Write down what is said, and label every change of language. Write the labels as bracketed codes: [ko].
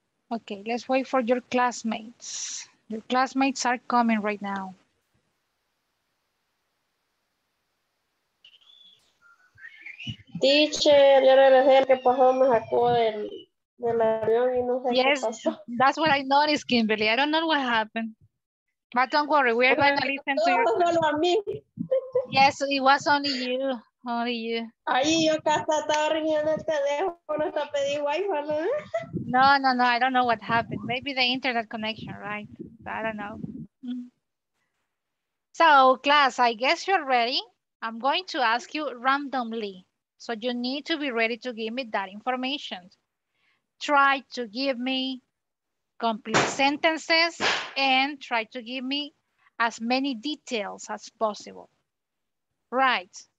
[en] Okay, let's wait for your classmates. Your classmates are coming right now. [es] Teacher, yo regresé al que pasó, me sacó del avión y no sé [en] yes, [es] qué pasó. [en] Yes, that's what I noticed, Kimberly. I don't know what happened. But don't worry, we are going to listen to you. [es] Solo a mí. [en] Yes, it was only you. Only you. [es] Ahí yo acá estaba riñendo el teléfono, hasta pedí wifi, ¿no? [en] No, no, no, I don't know what happened. Maybe the internet connection, right? I don't know. So, class, I guess you're ready. I'm going to ask you randomly. So you need to be ready to give me that information. Try to give me complete sentences and try to give me as many details as possible. Right.